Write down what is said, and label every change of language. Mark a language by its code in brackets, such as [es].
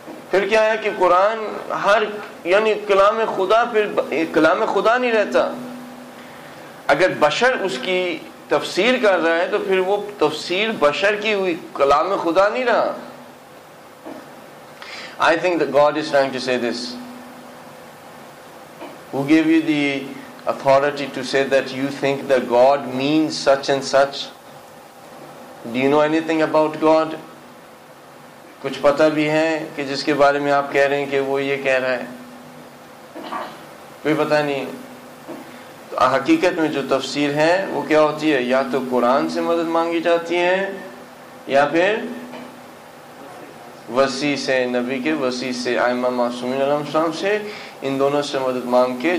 [ur] پھر کیا ہے کہ قرآن ہر یعنی کلام خدا پھر کلام خدا نہیں رہتا. اگر بشر اس کی تفسیر کر رہا ہے تو پھر وہ تفسیر بشر کی ہوئی، کلام خدا نہیں رہا. [en] I think that God is trying to say this. Who gave you the authority to say that you think that God means such and such? Do you know anything about God? [ur] کچھ پتہ بھی ہے کہ جس کے بارے میں آپ کہہ رہے ہیں کہ وہ یہ کہہ رہا ہے؟ کوئی پتہ نہیں. تو حقیقت میں جو تفسیر ہے وہ کیا ہوتی ہے؟ یا تو قرآن سے مدد مانگی جاتی ہے یا پھر وسیع سے، نبی کے وسیع سے، آئمہ معصومین علیہ السلام سے، ان دونوں سے مدد مانگ کے.